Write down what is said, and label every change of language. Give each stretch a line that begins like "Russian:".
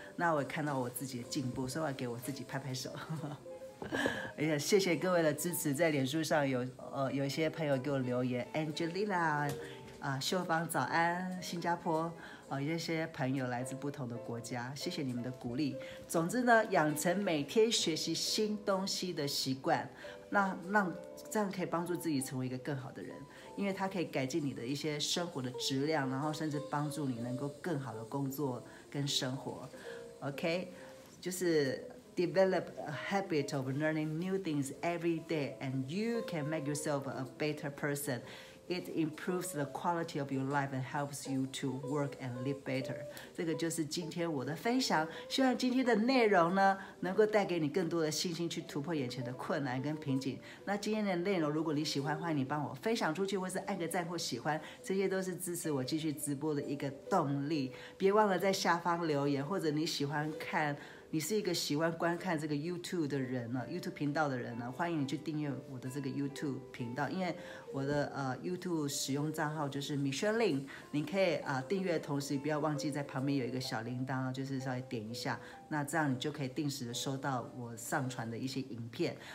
Chinese: 那我看到我自己的进步，所以我给我自己拍拍手。哎呀，谢谢各位的支持，在脸书上有一些朋友给我留言 ，Angelina， 秀芳早安，新加坡，一些朋友来自不同的国家，谢谢你们的鼓励。总之呢，养成每天学习新东西的习惯，让这样可以帮助自己成为一个更好的人。因为它可以改进你的一些生活的质量，然后甚至帮助你能够更好的工作跟生活。
English: OK，
Chinese: 就是
English: Develop a habit of learning new things every day and you can make yourself a better person. It improves the quality of your life and helps you to work and live better.
Chinese: 这个就是今天我的分享，希望今天的内容呢能够带给你更多的信心，去突破眼前的困难跟瓶颈。那今天的内容如果你喜欢，欢迎你帮我分享出去，或是按个赞或喜欢，这些都是支持我继续直播的一个动力。别忘了在下方留言，或者你喜欢看，你是一个喜欢观看这个 YouTube 的人呢 ，YouTube 频道的人呢，欢迎你去订阅我的这个 YouTube 频道，因为我的YouTube 使用账号就是 Michelle Lin， 你可以订阅的同时，不要忘记在旁边有一个小铃铛，就是稍微点一下，那这样你就可以定时的收到我上传的一些影片。